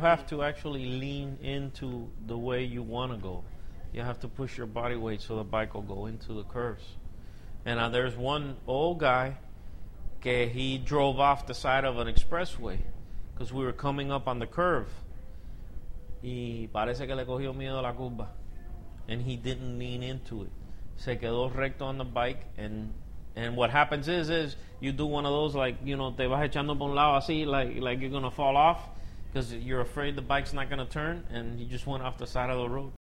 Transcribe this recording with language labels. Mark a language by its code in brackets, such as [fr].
[en] Have to actually lean into the way you want to go. You have to push your body weight so the bike will go into the curves. And there's one old guy that he drove off the side of an expressway because we were coming up on the curve. [es] Y parece que le cogió miedo la curva. [en] And he didn't lean into it. [es] Se quedó recto [en] on the bike. And what happens is you do one of those, like, you know, [es] te vas echando por un lado así, [en] like you're going to fall off because you're afraid the bike's not going to turn. And you just went off the side of the road.